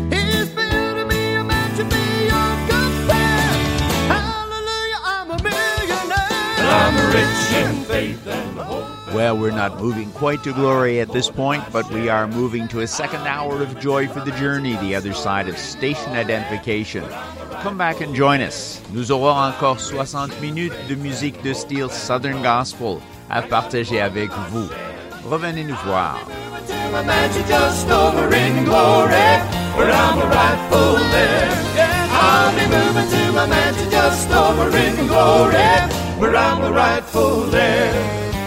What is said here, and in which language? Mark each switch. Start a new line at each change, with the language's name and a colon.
English: He's building me a mansion beyond compare. Hallelujah, I'm a millionaire. I'm rich in faith and hope. Well, we're not moving quite to glory at this point, but we are moving to a second hour of Joy for the Journey, the other side of station identification. Come back and join us.
French: Nous aurons encore 60 minutes de musique de style Southern Gospel à partager avec vous. Revenez nous voir.
English: I'm a mansion just over in glory, where I'm a rightful heir. I'll be moving moving to my mansion just over in glory, where I'm a rightful heir.